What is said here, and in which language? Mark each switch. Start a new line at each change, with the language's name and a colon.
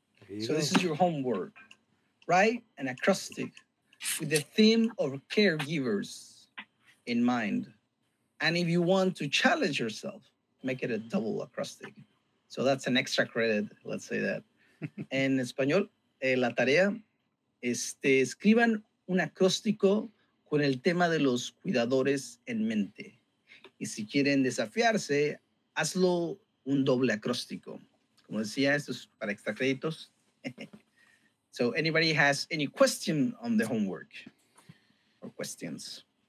English: Mm-hmm. So this is your homework, right? An acrostic with the theme of caregivers in mind. And if you want to challenge yourself, make it a double acrostic. So that's an extra credit, let's say that.
Spanish: En español, la tarea, escriban un acróstico con el tema de los cuidadores en mente. Y si quieren desafiarse, hazlo un doble acróstico. Como decía, esto es para extra créditos.
English: So anybody has any question on the homework or questions?